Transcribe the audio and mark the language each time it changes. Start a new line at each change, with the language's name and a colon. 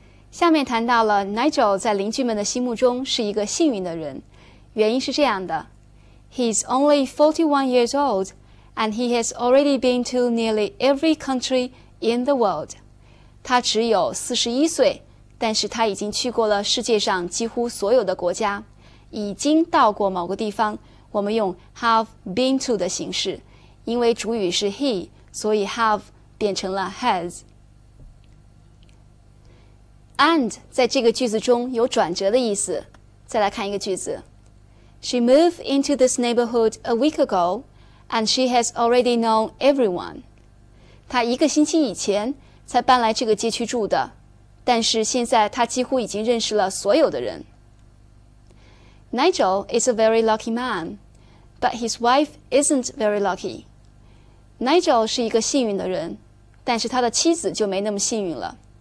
Chinese: 下面谈到了 Nigel 在邻居们的心目中是一个幸运的人。原因是这样的。
English: He's only 41 years old, and he has already been to nearly every country in the world.
Chinese: 他只有41岁。但是他已经去过了世界上几乎所有的国家，已经到过某个地方，我们用 have been to 的形式，因为主语是 he, 所以 have 变成了 has. And 在这个句子中有转折的意思。再来看一个句子。
English: She moved into this neighborhood a week ago, and she has already known everyone.
Chinese: 她一个星期以前才搬来这个街区住的。但是现在他几乎已经认识了所有的人。
English: Nigel is a very lucky man, but his wife isn't very lucky.
Chinese: Nigel 是一个幸运的人，但是他的妻子就没那么幸运了。